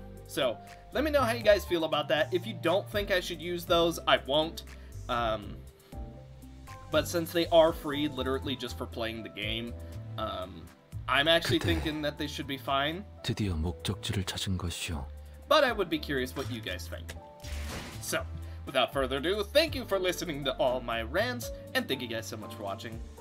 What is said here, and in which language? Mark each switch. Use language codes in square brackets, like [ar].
[en] So let me know how you guys feel about that. If you don't think I should use those, I won't. But since they are free, literally just for playing the game, I'm actually thinking that they should be fine. [ko] 드디어 목적지를 찾은 것이요. [en] But I would be curious what you guys think. So, without further ado, thank you for listening to all my rants, and thank you guys so much for watching.